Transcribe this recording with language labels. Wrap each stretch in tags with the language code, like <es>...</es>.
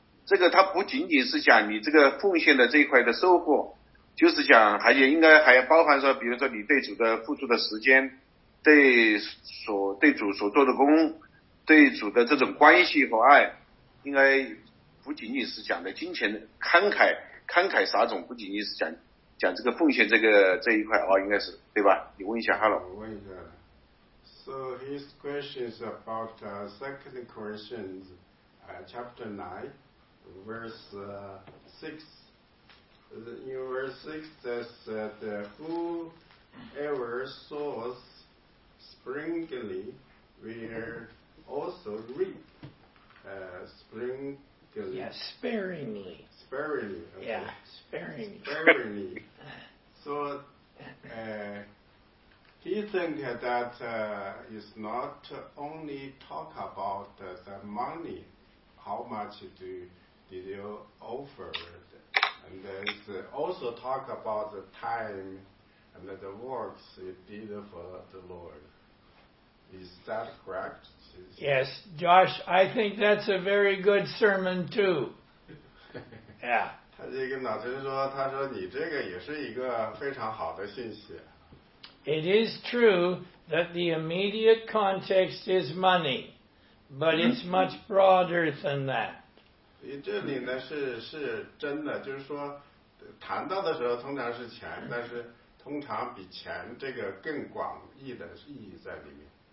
<zh>这个它不仅仅是讲你这个奉献的这一块的收获，就是讲还也应该还要包含说，比如说你对主的付出的时间，对主所做的工，对主的这种关系和爱，应该不仅仅是讲的金钱的慷慨撒种，不仅仅是讲这个奉献这一块，应该是对吧？你问一下哈喽。我问一下。</zh> <en>So his question is about Second Corinthians chapter 9, verse 6. In verse 6, that said, whoever sows springly will also reap springly. Yeah, sparingly. Sparingly.、Okay. Yeah, sparingly. Sparingly. So, he think that it's not only talk about the money, how much did you offer, and it's also talk about the time and the works you did for the Lord. Is that correct? Yes, Josh, I think that's a very good sermon too. Yeah.</en> <zh>他就跟老陈说，他说你这个也是一个非常好的信息。</zh> <en>It is true that the immediate context is money, but it's much broader than that.</en> <zh>这里呢 是真的，就是说谈到的时候通常是钱，但是通常比钱这个更广义的意义在里面。</zh>